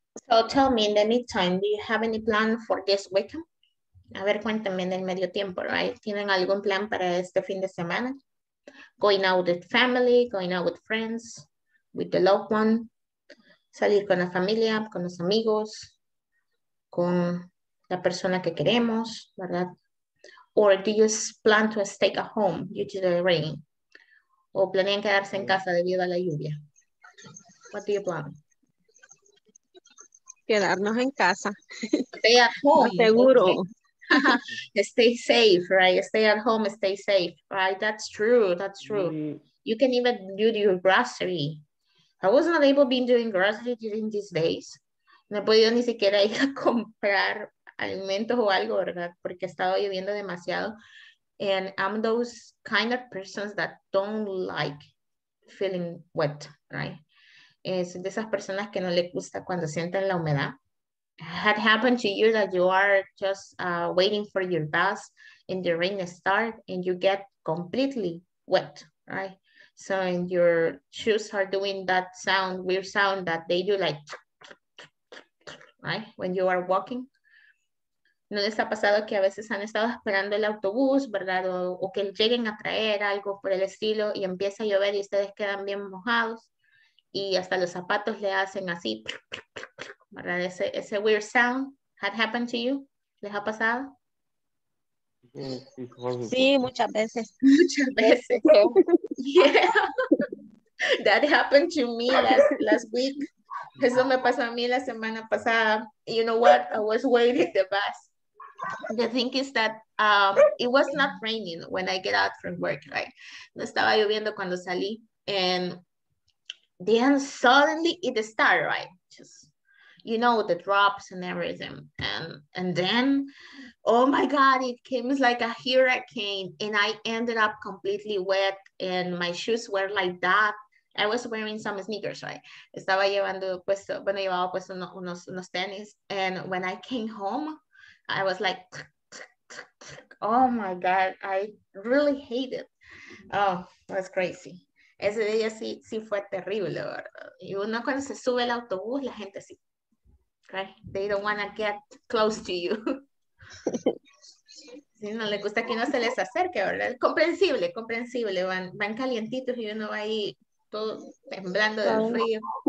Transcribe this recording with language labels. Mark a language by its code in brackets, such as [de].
[en] So tell me in the meantime, do you have any plan for this weekend? [es] A ver, cuéntenme en el medio tiempo, right? ¿Tienen algún plan para este fin de semana? [en] Going out with family, going out with friends, with the loved one, [es] salir con la familia, con los amigos, con la persona que queremos, ¿verdad? [en] Or do you plan to stay at home due to the rain? [es] ¿O planean quedarse en casa debido a la lluvia? [en] What do you plan? [es] Quedarnos en casa. [en] Stay at home. [es] No, seguro. [en] Okay. Stay safe, right? Stay at home, stay safe, right? That's true, that's true. Mm-hmm. You can even do your grocery. I was not able being doing grocery during these days. [es] No he podido ni siquiera ir a comprar alimentos o algo, ¿verdad? Porque estaba lloviendo demasiado [en] And I'm those kind of persons that don't like feeling wet, right? [es] Es de esas personas que no le gusta cuando sienten la humedad. [en] Had happened to you that you are just waiting for your bus and the rain start and you get completely wet, right? So and your shoes are doing that sound, weird sound that they do like, right? When you are walking. [es] ¿No les ha pasado que a veces han estado esperando el autobús, verdad? O que lleguen a traer algo por el estilo y empieza a llover y ustedes quedan bien mojados y hasta los zapatos le hacen así, ¿verdad? [en] Ese weird sound, had happened to you? [es] ¿Les ha pasado? Sí, muchas veces. Muchas veces. [en] Yeah. That happened to me last week. [es] Eso me pasó a mí la semana pasada. [en] You know what? I was waiting the bus. The thing is that it was not raining when I get out from work, right? [es] No estaba lloviendo cuando salí. [en] And then suddenly it started, right? Just, you know, the drops and everything. And then, oh my God, it came like a hurricane. And I ended up completely wet. And my shoes were like that. I was wearing some sneakers, right? [es] Estaba llevando puesto, bueno, llevaba puesto unos tenis. [en] And when I came home, I was like, oh my God, I really hate it. Oh, that's crazy. [es] Ese día sí fue terrible, ¿verdad? Y uno cuando se sube el autobús, la gente sí. [en] Right? They don't want to get close to you. [es] Sí, no le gusta que uno se les acerque, ¿verdad? Comprensible, comprensible. Van calientitos y uno va ahí todo temblando del frío.